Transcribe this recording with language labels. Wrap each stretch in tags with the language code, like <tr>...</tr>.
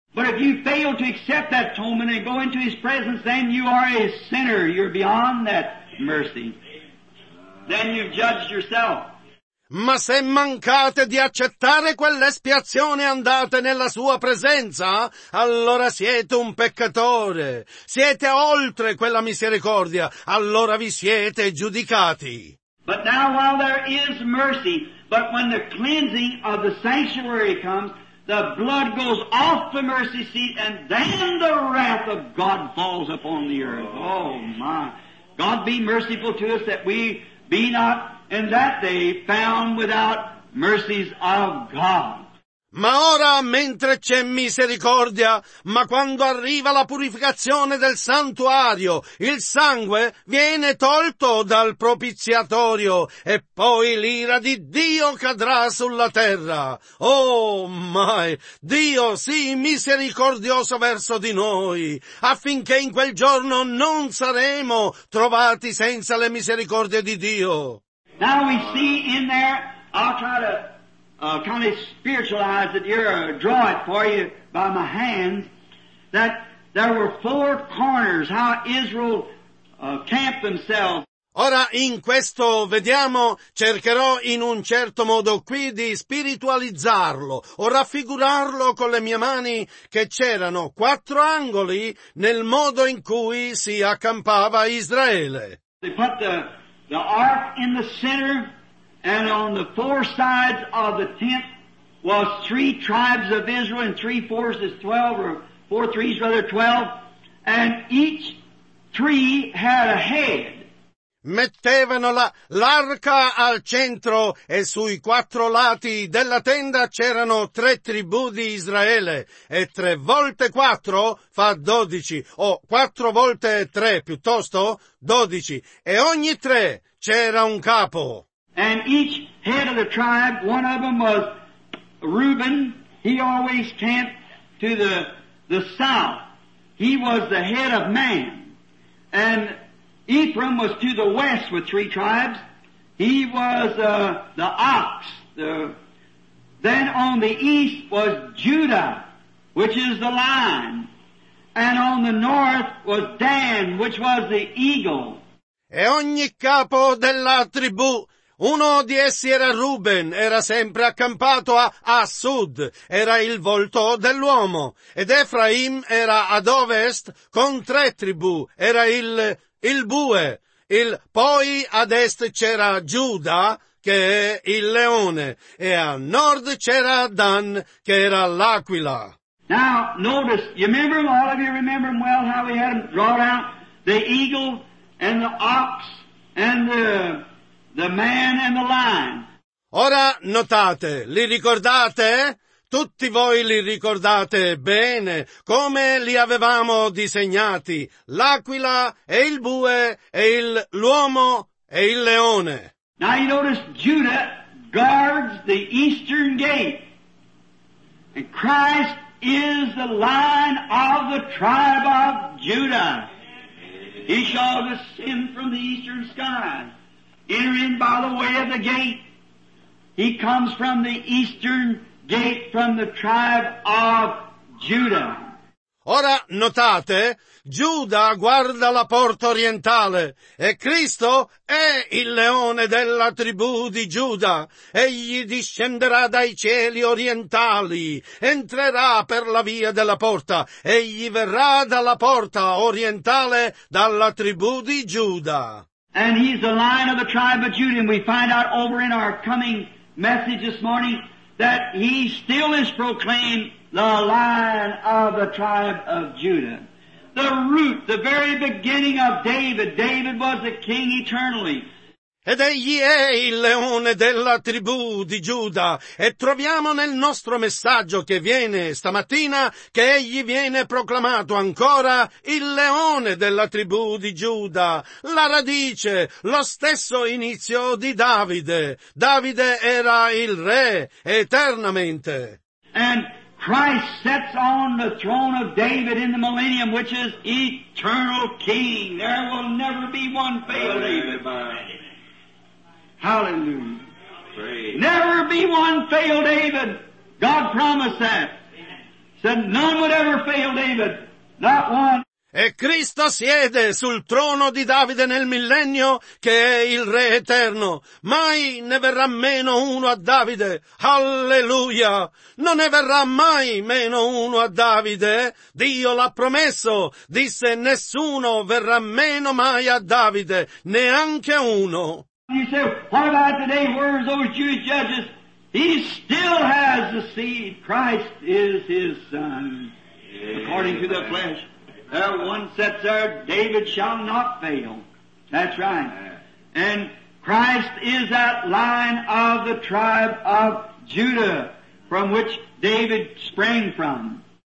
<en>But if you fail to accept that atonement and go into his presence, then you are a sinner. You're beyond that mercy. Then you've judged yourself.</en> <it>Ma se mancate di accettare quell'espiazione e andate nella sua presenza, allora siete un peccatore. Siete oltre quella misericordia, allora vi siete giudicati.</it> <en>But now while there is mercy, but when the cleansing of the sanctuary comes, the blood goes off the mercy seat and then the wrath of God falls upon the earth. Oh my. God be merciful to us that we be not in that day found without mercies of God.</en> <it>Ma ora, mentre c'è misericordia, ma quando arriva la purificazione del santuario, il sangue viene tolto dal propiziatorio e poi l'ira di Dio cadrà sulla terra. Oh, mai! Dio sii misericordioso verso di noi, affinché in quel giorno non saremo trovati senza le misericordie di Dio.</it> <en>Now we see in there, I'll try to kind of spiritualize it here, draw it for you by my hand, that there were four corners, how Israel camped themselves.</en> <it>Ora in questo vediamo, cercherò in un certo modo qui di spiritualizzarlo o raffigurarlo con le mie mani, che c'erano quattro angoli nel modo in cui si accampava Israele.</it> <en>They put the ark in the center, and on the four sides of the tent was three tribes of Israel, and three fours, 12, or four threes rather, 12, and each tree had a head.</en> <it>Mettevano l'arca al centro e sui quattro lati della tenda c'erano tre tribù di Israele, e tre volte quattro fa 12, o quattro volte tre piuttosto 12, e ogni tre c'era un capo.</it> <en>And each head of the tribe, one of them was Reuben, he always camped to the south. He was the head of man. And Ephraim was to the west with three tribes. He was the ox. Then on the east was Judah, which is the lion. And on the north was Dan, which was the eagle.</en> <it>E ogni capo della tribù, uno di essi era Ruben, era sempre accampato a sud, era il volto dell'uomo. Ed Efraim era ad ovest con tre tribù, era il bue. Poi ad est c'era Giuda, che è il leone, e a nord c'era Dan, che era l'aquila.</it> <en>Now, notice, you remember, all of you remember well how we had drawn out the eagle and the ox and the man and the lion.</en> <it>Ora notate, li ricordate? Tutti voi li ricordate bene come li avevamo disegnati, l'aquila e il bue e l'uomo e il leone.</it> <en>Now you notice Judah guards the eastern gate, and Christ is the lion of the tribe of Judah. He shall descend from the eastern sky, enter in by the way of the gate. He comes from the eastern gate, from the tribe of Judah.</en> <it>Ora notate, Giuda guarda la porta orientale, e Cristo è il leone della tribù di Giuda. Egli discenderà dai cieli orientali, entrerà per la via della porta, egli verrà dalla porta orientale dalla tribù di Giuda.</it> <en>And he's the lion of the tribe of Judah, and we find out over in our coming message this morning that he still is proclaimed the lion of the tribe of Judah. the root, the very beginning of David. David was the king eternally.</en> <it>Ed egli è il leone della tribù di Giuda, e troviamo nel nostro messaggio che viene stamattina che egli viene proclamato ancora il leone della tribù di Giuda, la radice, lo stesso inizio di Davide. Davide era il re eternamente.</it> <en>And Christ sits on the throne of David in the millennium, which is eternal king. There will never be one failure. Amen. Hallelujah. Praise. Never be one fail David. God promised that. Said none would ever fail David. Not one.</en> <it>E Cristo siede sul trono di Davide nel millennio, che è il re eterno. Mai ne verrà meno uno a Davide. Alleluia! Non ne verrà mai meno uno a Davide. Dio l'ha promesso. Disse nessuno verrà meno mai a Davide. Neanche uno.</it> <en>You say, what about today? Where's those Jewish judges? He still has the seed. Christ is his son, yeah, according to the flesh. There one sits there, David shall not fail. That's right. And Christ is that line of the tribe of Judah from which David sprang from.</en>